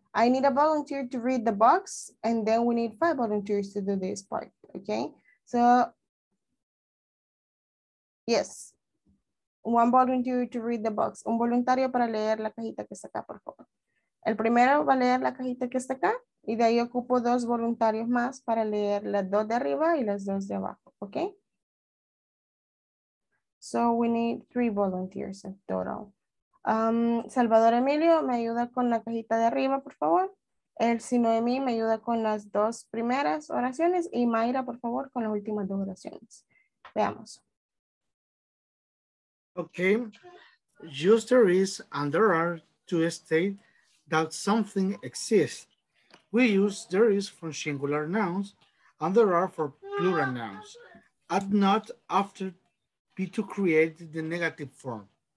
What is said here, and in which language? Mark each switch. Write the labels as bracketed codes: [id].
[en] I need a volunteer to read the box, and then we need 5 volunteers to do this part, okay? So, yes, one volunteer to read the box. [es] Un voluntario para leer la cajita que está acá, por favor. El primero va a leer la cajita que está acá. Y de ahí ocupo 2 voluntarios más para leer las 2 de arriba y las 2 de abajo, ¿ok? [en] So we need 3 volunteers in total. [es] Salvador Emilio, me ayuda con la cajita de arriba, por favor. Elsie Noemí, me ayuda con las 2 primeras oraciones. Y Mayra, por favor, con las últimas 2 oraciones. Veamos. Ok. [en] Just there is and there are to state that something exists. We use there is for singular nouns and there are for plural nouns. Add not after be to create the negative form.